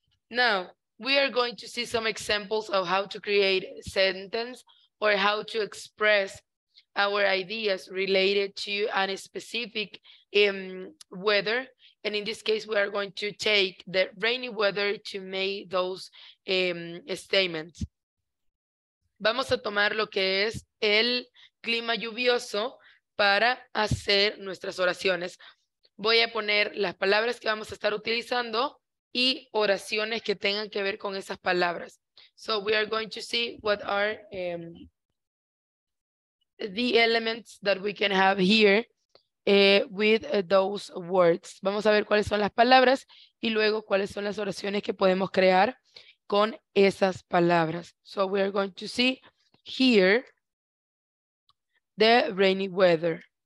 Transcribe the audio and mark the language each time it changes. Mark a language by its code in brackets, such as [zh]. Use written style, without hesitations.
[en] Now, we are going to see some examples of how to create sentence or how to express our ideas related to a specific weather. And in this case, we are going to take the rainy weather to make those statements. [es] Vamos a tomar lo que es el clima lluvioso para hacer nuestras oraciones. Voy a poner las palabras que vamos a estar utilizando y oraciones que tengan que ver con esas palabras. [en] So we are going to see what are the elements that we can have here with those words. [es] Vamos a ver cuáles son las palabras y luego cuáles son las oraciones que podemos crear con esas palabras. [en] So we are going to see here the rainy weather.